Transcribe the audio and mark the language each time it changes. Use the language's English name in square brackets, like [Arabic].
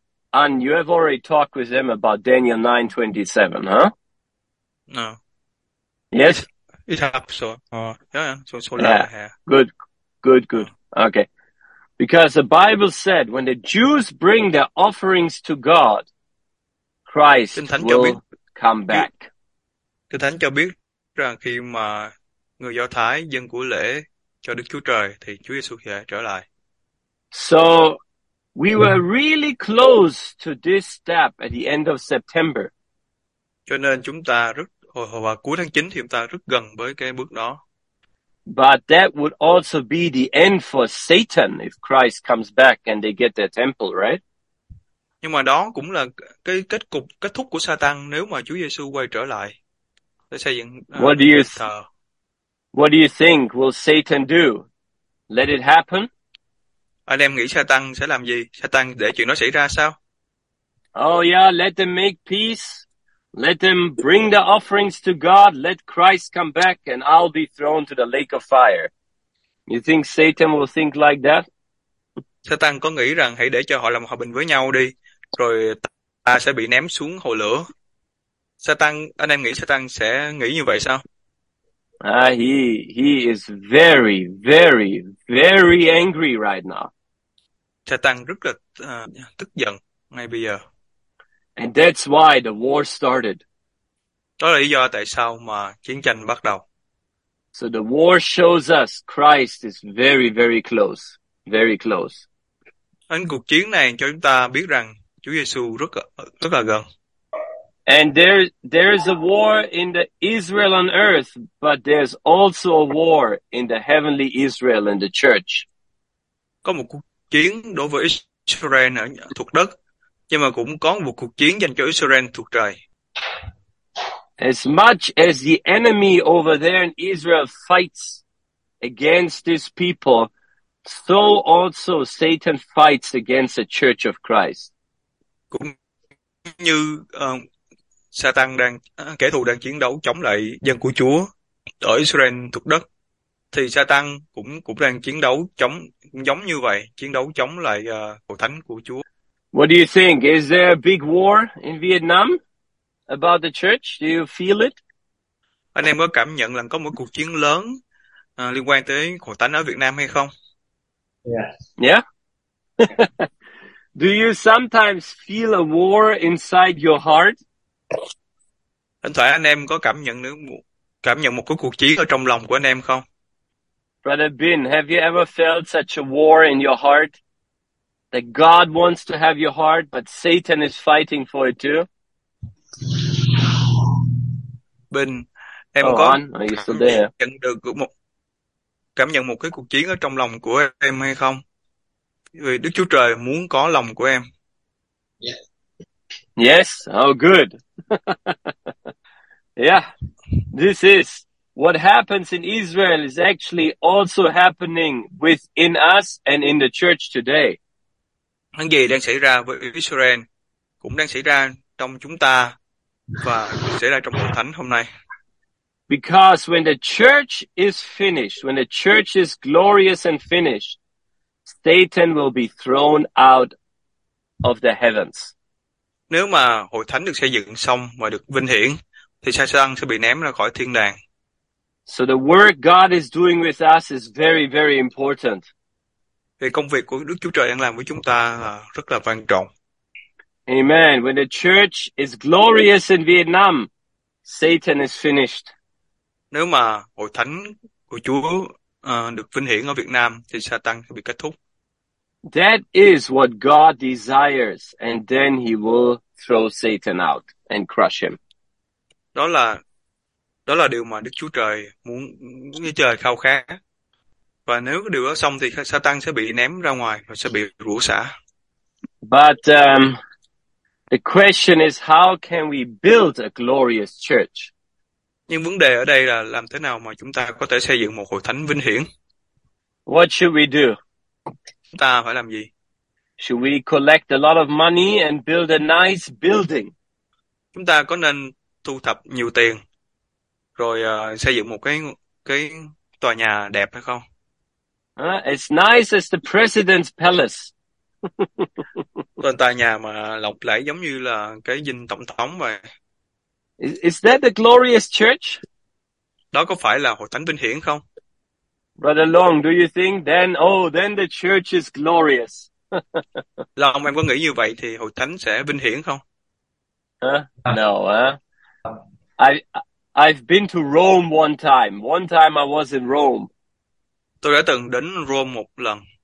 [English] And you have already talked with them about Daniel 9:27, huh? No. Yes? Yeah. Good. Good, good. Okay. Because the Bible said when the Jews bring their offerings to God, [Vietnamese] Kinh [English] Christ [Vietnamese] Thánh cho biết [English] will come back. [Vietnamese] Kinh Thánh cho biết rằng khi mà người Do Thái dâng của lễ cho Đức Chúa Trời thì Chúa Giêsu sẽ trở lại. [English] So we were really close to this step at the end of September. [Vietnamese] Cho nên chúng ta rất hồi vào cuối tháng 9 thì chúng ta rất gần với cái bước đó. [English] But that would also be the end for Satan if Christ comes back and they get their temple, right? [Vietnamese] Nhưng mà đó cũng là cái kết thúc của Satan nếu mà Chúa Giêsu quay trở lại để xây dựng đền thờ. [English] What do you think will Satan do? Let it happen? [Vietnamese] Anh em nghĩ Satan sẽ làm gì? Satan để chuyện đó xảy ra sao? [English] Oh yeah, let them make peace. Let them bring the offerings to God. Let Christ come back and I'll be thrown to the lake of fire. You think Satan will think like that? [Vietnamese] Satan có nghĩ rằng hãy để cho họ làm hòa bình với nhau đi, rồi ta sẽ bị ném xuống hồ lửa. Satan, anh em nghĩ Satan sẽ nghĩ như vậy sao? [English] He is very, very, very angry right now. [Vietnamese] Satan rất là tức giận ngay bây giờ. [English] And that's why the war started. [Vietnamese] Đó là lý do tại sao mà chiến tranh bắt đầu. [English] So the war shows us Christ is very, very close. Very close. [Vietnamese] Đến cuộc chiến này cho chúng ta biết rằng Chúa Giêsu rất là gần. [English] And there's a war in the Israel on earth, but there's also a war in the heavenly Israel and the church. [Vietnamese] Có một cuộc chiến đối với Israel ở thuộc đất, nhưng mà cũng có một cuộc chiến dành cho Israel thuộc trời. [English] As much as the enemy over there in Israel fights against these people, so also Satan fights against the Church of Christ. [Vietnamese] Cũng như Satan đang kẻ thù đang chiến đấu chống lại dân của Chúa, ở Israel thuộc đất, thì Satan cũng cũng đang chiến đấu chống, cũng giống như vậy, chiến đấu chống lại hội thánh của Chúa. [English] What do you think? Is there a big war in Vietnam about the church? Do you feel it? [Vietnamese] Anh em có cảm nhận là có một cuộc chiến lớn liên quan tới hội thánh ở Việt Nam hay không? [English] Yeah. Do you sometimes feel a war inside your heart? [Vietnamese] Thỉnh thoảng anh em có cảm nhận nữa, cảm nhận một cái cuộc chiến ở trong lòng của anh em không? [English] Brother Bin, have you ever felt such a war in your heart? That God wants to have your heart, but Satan is fighting for it too. [Vietnamese] Bình, em [English] Oh, [Vietnamese] có [English] on, are you still [Vietnamese] cảm [English] there? [Vietnamese] nhận được một cảm nhận một cái cuộc chiến ở trong lòng của em hay không? Vì Đức Chúa Trời muốn có lòng của em. [English] Yes, oh good. Yeah, this is what happens in Israel is actually also happening within us and in the church today. [Vietnamese] Những gì đang xảy ra với Israel cũng đang xảy ra trong chúng ta và cũng xảy ra trong hội thánh hôm nay. [English] Because when the church is finished, when the church is glorious and finished, Satan will be thrown out of the heavens. [Vietnamese] Nếu mà hội thánh được xây dựng xong và được vinh hiển thì Satan sẽ bị ném ra khỏi thiên đàng. [English] So the work God is doing with us is very, very important. [Vietnamese] Vì công việc của Đức Chúa Trời đang làm với chúng ta rất là quan trọng. [English] Amen. When the church is glorious in Vietnam, Satan is finished. [Vietnamese] Nếu mà hội thánh của Chúa được vinh hiển ở Việt Nam thì Satan sẽ bị kết thúc. [English] That is what God desires, and then he will throw Satan out and crush him. [Vietnamese] Đó là điều mà Đức Chúa Trời muốn, như trời khao khát. Và nếu cái điều đó xong thì Satan sẽ bị ném ra ngoài và sẽ bị rủa xả. [English] The question is, how can we build a glorious church? [Vietnamese] Nhưng vấn đề ở đây là làm thế nào mà chúng ta có thể xây dựng một hội thánh vinh hiển? [English] What should we do? [Vietnamese] Chúng ta phải làm gì? [English] Should we collect a lot of money and build a nice building? [Vietnamese] Chúng ta có nên thu thập nhiều tiền rồi xây dựng một cái tòa nhà đẹp hay không? [English] As nice as the president's palace. [Vietnamese] Tên tòa nhà mà lộng lẫy giống như là cái dinh tổng thống vậy. [English] Is that the glorious church? [Vietnamese] Đó có phải là hội thánh vinh hiển không? [English] Brother Long, do you think then, oh, then the church is glorious. [Vietnamese] Lòng em có nghĩ như vậy thì hội thánh sẽ vinh hiển không? [English] No, I've been to Rome one time. One time I was in Rome. [Vietnamese] Tôi đã từng đến Rome một lần.